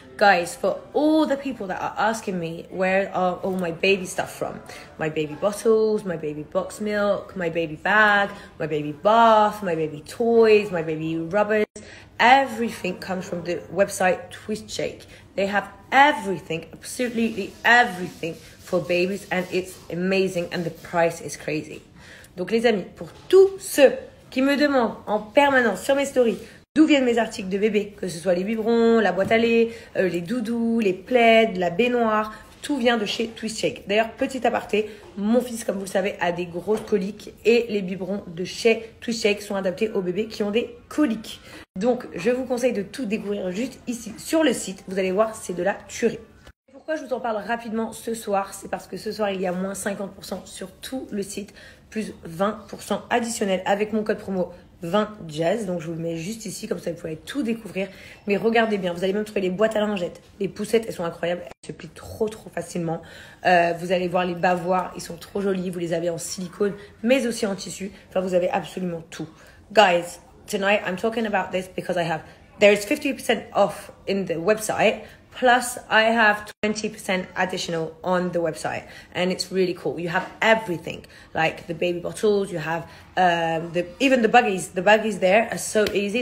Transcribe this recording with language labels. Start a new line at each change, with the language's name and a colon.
English: Guys, for all the people that are asking me where are all my baby stuff from, my baby bottles, my baby box milk, my baby bag, my baby bath, my baby toys, my baby rubbers, everything comes from the website Twist Shake. They have everything, absolutely everything for babies, and it's amazing and the price is crazy.
French: Donc les amis, pour tous ceux qui me demandent en permanence sur mes stories, d'où viennent mes articles de bébé, que ce soit les biberons, la boîte à lait, les doudous, les plaids, la baignoire, tout vient de chez Twist Shake. D'ailleurs, petit aparté, mon fils, comme vous le savez, a des grosses coliques et les biberons de chez Twist Shake sont adaptés aux bébés qui ont des coliques. Donc, je vous conseille de tout découvrir juste ici sur le site. Vous allez voir, c'est de la tuerie. Pourquoi je vous en parle rapidement ce soir? C'est parce que ce soir, il y a moins 50% sur tout le site. plus 20% additionnel avec mon code promo 20jazz. Donc je vous le mets juste ici, comme ça vous pouvez tout découvrir. Mais regardez bien, vous allez même trouver les boîtes à lingettes, les poussettes, elles sont incroyables, elles se plient trop trop facilement. Vous allez voir les bavoirs, ils sont trop jolis, vous les avez en silicone mais aussi en tissu, enfin vous avez absolument tout.
English: Guys, tonight I'm talking about this because I have, there is 50% off in the website, plus I have 20% additional on the website, and it's really cool. You have everything, like the baby bottles, you have even the buggies there are so easy.